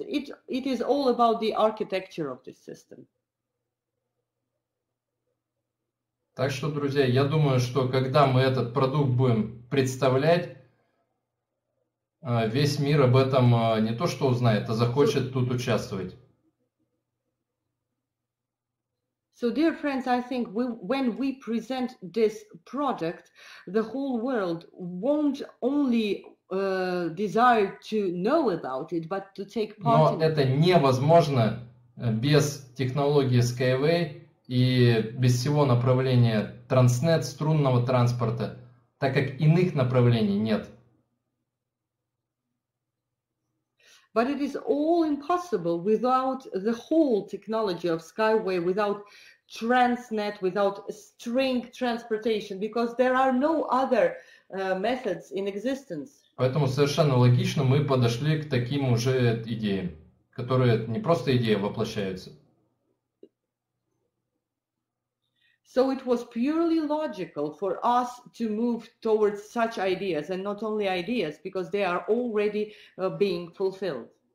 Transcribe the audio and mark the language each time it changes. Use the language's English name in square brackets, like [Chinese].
[English] It is all about the architecture of this system. [Russian] Так что, друзья, я думаю, что когда мы этот продукт будем представлять, весь мир об этом не то что узнает, а захочет тут участвовать. [English] So, dear friends, I think when we present this product, the whole world won't only desire to know about it, but to take part. [Russian] Но это невозможно без технологии Skyway и без всего направления Transnet, струнного транспорта, так как иных направлений нет. [English] But it is all impossible without the whole technology of Skyway, without Transnet, without string transportation, because there are no other methods in existence. [Russian] Поэтому совершенно логично мы подошли к таким уже идеям, которые не просто идеи воплощаются. [English] So it was purely logical for us to move towards such ideas, and not only ideas, because they are already being fulfilled.